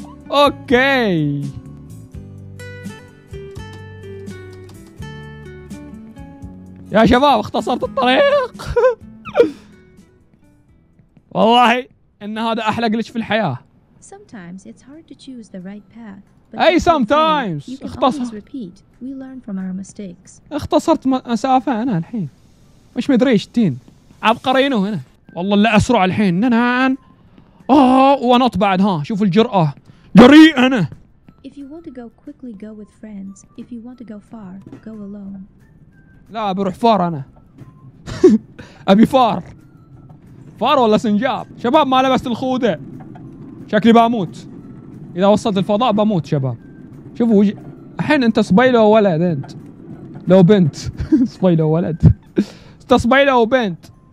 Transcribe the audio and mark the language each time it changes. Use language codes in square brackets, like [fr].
[ar] اوكي! يا شباب اختصرت الطريق! والله ان هذا احلى جلتش في الحياة! [en] Sometimes it's hard to choose the right path. [ar] اي sometimes اختصرت مسافة انا الحين، مش مدري ايش تين عبقرينه هنا. والله اللي اسرع الحين نانان. ونط بعد، ها شوف الجرأة، جريء انا. [en] If you want to go quickly go with friends, if you want to go far go alone. [ar] لا بروح فار انا. ابي فار. فار ولا سنجاب؟ شباب ما لبست الخودة، شكلي بموت اذا وصلت الفضاء، بموت شباب. شوفوا وجه الحين، انت صبيله ولد، انت لو بنت صبيله ولد، انت صبيله وبنت.